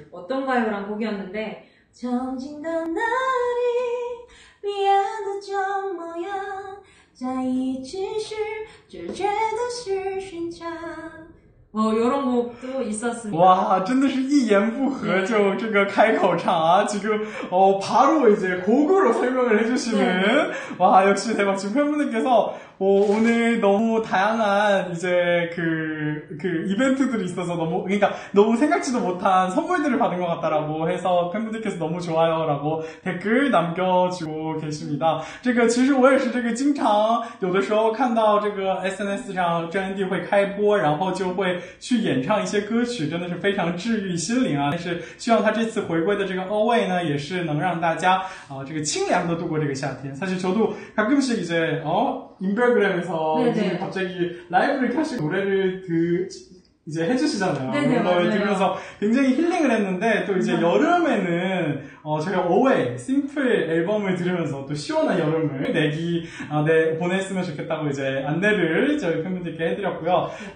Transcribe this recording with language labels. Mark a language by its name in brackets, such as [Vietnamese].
[Korean] 어떤가요라는곡이었는데정진도날이미안도정모양 [Chinese] 在一起时就觉得是寻常 [Korean] 요런곡도있었습니다 [Chinese] 와真的是一言不合就这个开口唱啊 [Korean] 지금바로이제곡으로설명을해주시는、 네、 와역시대박지금팬분들께서 오늘 너무 다양한 이제 그 이벤트들이 있어서 너무, 그러니까 너무 생각지도 못한 선물들을 받은 것 같다라고 해서 팬분들께서 너무 좋아요라고 댓글 남겨주고 계십니다. [Chinese] 这个其实我也是这个经常有的时候看到这个 SNS 上詹迪会开播，然后就会去演唱一些歌曲，真的是非常治愈心灵啊。但是希望他这次回归的这个 Away 呢，也是能让大家啊这个清凉的度过这个夏天。 [Korean] 사실 저도 가끔씩 이제 인별그램에서 갑자기 라이브를 켜서 노래를 이제 해주시잖아요. 네네, 그걸 맞네요. 들으면서 굉장히 힐링을 했는데 또 이제 여름에는 제가 Away 심플 앨범을 들으면서 또 시원한 여름을 보냈으면 좋겠다고 이제 안내를 저희 팬분들께 해드렸고요.